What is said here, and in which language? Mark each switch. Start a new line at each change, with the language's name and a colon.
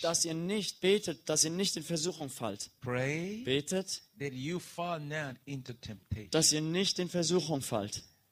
German: Dass ihr nicht betet, dass ihr nicht in Versuchung fallt.
English: Pray,
German: betet,
English: that you fall not into temptation.
German: Dass ihr nicht in Versuchung fallt.